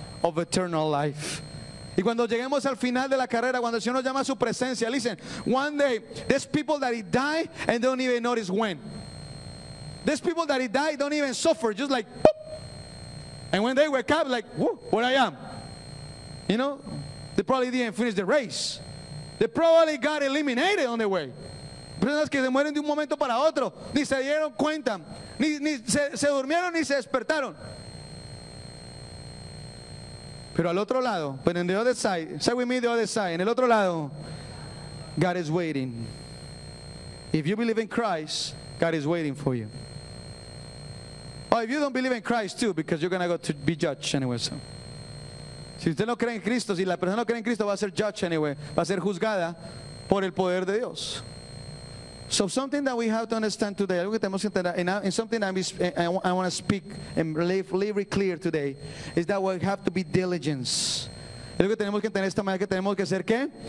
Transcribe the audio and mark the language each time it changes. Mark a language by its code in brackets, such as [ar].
[en] Of eternal life. [es] Y cuando lleguemos al final de la carrera, cuando el Señor nos llama a su presencia, [en] listen, one day, there's people that he die and don't even notice when. There's people that he die don't even suffer, just like, boop. And when they wake up, like, whoo, where I am. You know, they probably didn't finish the race. They probably got eliminated on the way. [es] Personas que se mueren de un momento para otro, ni se dieron cuenta, ni se durmieron ni se despertaron. Pero al otro lado, [en] but on the other side, say with me, the other side, [es] en el otro lado, [en] God is waiting. If you believe in Christ, God is waiting for you. Oh, if you don't believe in Christ too, because you're going to go to be judged anyway. So. [es] Si usted no cree en Cristo, si la persona no cree en Cristo, va a ser [en] judged anyway, [es] va a ser juzgada por el poder de Dios. [en] So something that we have to understand today, [es] algo que tenemos que entender, [en] and something that I want to speak and leave very clear today, is that we have to be diligent. [es] Algo que tenemos que entender esta mañana, que tenemos que ser, ¿qué?